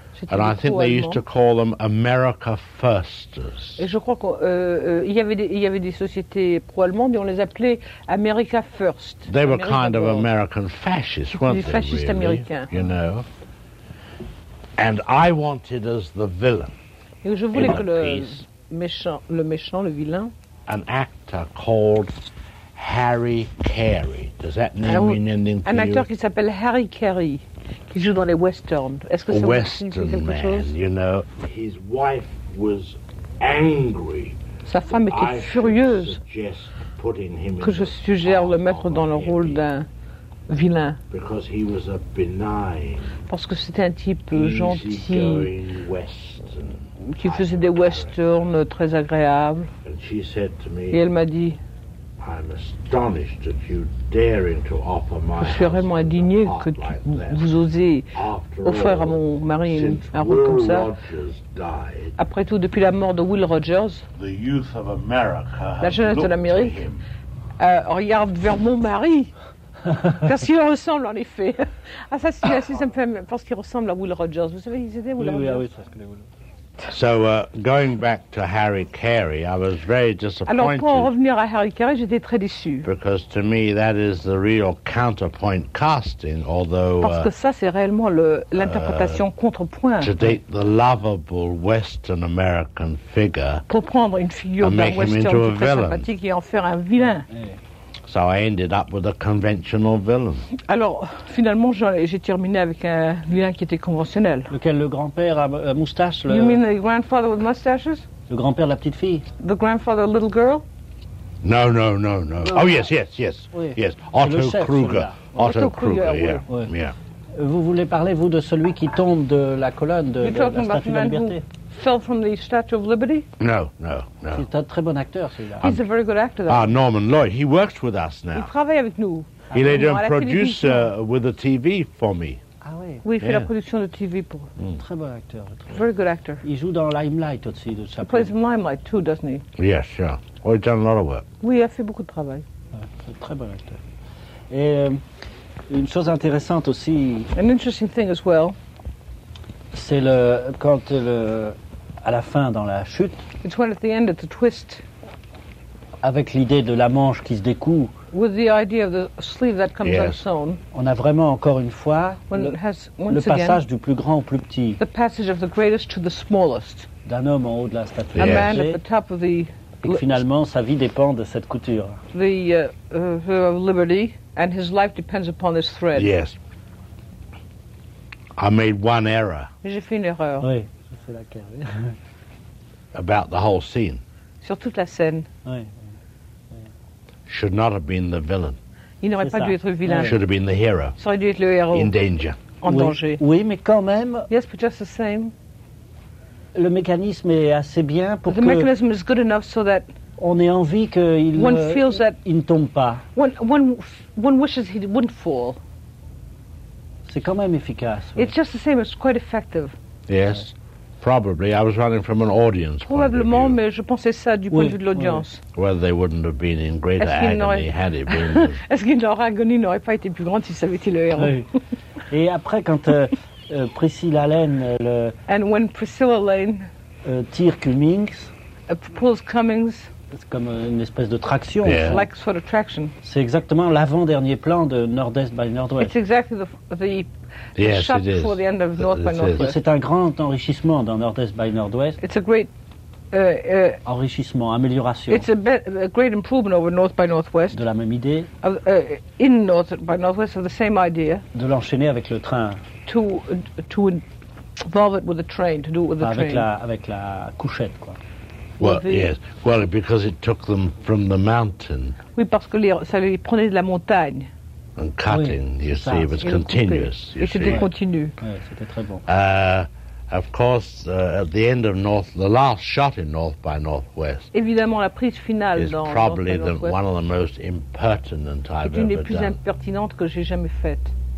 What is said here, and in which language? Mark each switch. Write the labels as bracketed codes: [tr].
[en] And I think they used to call them America Firsters. [fr] Et je crois qu'il y avait des sociétés pro-allemandes et on les appelait America First. [en] They were kind of American fascists, weren't they? [fr] Des fascistes américains. [en] You know. And I wanted as the villain. [fr] Et je voulais que le méchant, le vilain. [en] An actor called Harry Carey. Does that name mean anything to you? [fr] Un acteur qui s'appelle Harry Carey, qui joue dans les westerns. Est-ce que ça vous dit quelque chose? [en] Western man, you know. His wife was angry. [fr] Sa femme était furieuse que je suggère le mettre dans le rôle d'un vilain. [en] Because he was a benign, [fr] parce que c'était un type gentil, [en] Western, [fr] qui faisait des westerns très agréables. [en] And she said to me, [fr] et elle m'a dit, [en] I'm astonished that you daring to offer my [fr] je suis vraiment indigné que tu, vous osez offrir à mon mari un rôle comme ça. Après tout, depuis la mort de Will Rogers, [en] the youth of America [fr] la jeunesse de l'Amérique regarde vers mon mari. Parce qu'il ressemble en effet. Ah, ça, c'est assez simple. Je pense qu'il ressemble à Will Rogers. Vous savez, ils étaient Will oui, Rogers. Oui, oui, ça, je connais Will. [en] So going back to Harry Carey, I was very disappointed. [fr] Alors pour en revenir à Harry Carey, j'étais très déçu. [en] Because to me that is the real counterpoint casting, although [fr] parce que ça c'est réellement l'interprétation contrepoint. [en] To date the lovable Western American figure. [fr] Pour prendre une figure d'un Western très [en] villain. [fr] Sympathique et en faire un vilain. [en] So I ended up with a conventional villain. [fr] Alors, finalement, j'ai terminé avec un vilain qui était conventionnel. Lequel, le grand-père à moustache? [en] You mean the grandfather with mustaches? [fr] Le grand-père de la petite fille. [en] The grandfather, the little girl? No, no, no, no. Oh, yes, yes, yes. [fr] Oui. [en] Yes, Otto Kruger. Otto Kruger, yeah. [fr] Oui. [en] Yeah. [fr] Vous voulez parler, vous, de celui qui tombe de la colonne de la Statue de la Liberté? [en] Fell from the Statue of Liberty? No, no, no. [fr] C'est un très bon acteur, celui-là. [en] He's a very good actor, though. Ah, Norman Lloyd. He works with us now. [fr] Il travaille avec nous. [en] He laid a producer with the TV for me. [fr] Ah oui. Oui, il fait la production de TV pour. Très bon acteur. Très [en] very good actor. [fr] Il joue dans Limelight aussi, de sa. [en] He plays in Limelight too, doesn't he? Yes, yeah, sure. Oh, he's done a lot of work. [fr] Oui, il a fait beaucoup de travail. C'est très bon acteur. Et une chose intéressante aussi. [en] An interesting thing as well. [fr] C'est le quand le à la fin dans la chute. [en] It's when at the end of the twist. [fr] Avec l'idée de la manche qui se découd. [en] With the idea of the sleeve that comes unsewn. [fr] On a vraiment encore une fois le passage [en] again, [fr] du plus grand au plus petit. [en] The passage of the greatest to the smallest. [fr] D'un homme en haut de la statue. [en] A man at the top of the. [fr] Et que finalement sa vie dépend de cette couture. [en] The of liberty and his life depends upon this thread. Yes. I made one error. [fr] J'ai fait une erreur. Oui. [en] About the whole scene. [fr] Sur toute la scène. [en] Should not have been the villain. [fr] Il n'aurait pas dû être vilain. [en] Should have been the hero. [fr] Ça aurait dû être le héros. [en] In danger. [fr] En danger. Oui, mais quand même. [en] Yes, but just the same. [fr] Le mécanisme est assez bien pour que. [en] The mechanism is good enough so that. [fr] On ait envie qu'il. [en] One feels that. [fr] Il ne tombe pas. [en] One wishes he wouldn't fall. [fr] C'est quand même efficace. [en] It's just the same. It's quite effective. Yes. Probably, I was running from an audience [fr] probablement, [en] point of view. [fr] Mais je pensais ça du point de vue de l'audience. [en] Well, they wouldn't have been in greater agony had it been. [fr] Est-ce que leur agonie n'aurait pas été plus grande si ça avait été le héros? Oui. Et après, quand Priscilla Lane le. [en] And when Priscilla Lane. [fr] Tire Cummings. [en] Pulls Cummings. [fr] C'est comme une espèce de traction. [en] Yeah. Like sort of traction. [fr] C'est exactement l'avant-dernier plan de Northeast by Northwest. [en] It's exactly the yes, shot before the end of North by Northwest. [fr] C'est un grand enrichissement dans Northeast by Northwest. [en] It's a great [fr] enrichissement, amélioration. [en] It's a great improvement over North by Northwest. [fr] De la même idée. [en] Of, in North by Northwest of the same idea. [fr] De l'enchaîner avec le train. [en] To involve it with the train, to do it with the train. [fr] Avec la couchette quoi. [en] Well, yes. Well, because it took them from the mountain. [fr] Oui, parce que ça les prenait de la montagne. [en] And cutting, [fr] oui, [en] you [fr] ça, [en] see, it was continuous. [fr] Et c'était continu. Ouais, c'était très bon. [en] Of course, at the end of North, the last shot in North by Northwest. [fr] Évidemment, la prise finale [en] is [fr] dans [en] probably North by Northwest one of the most impertinent I've ever done. [fr] C'est une des plus impertinentes que j'ai jamais faites.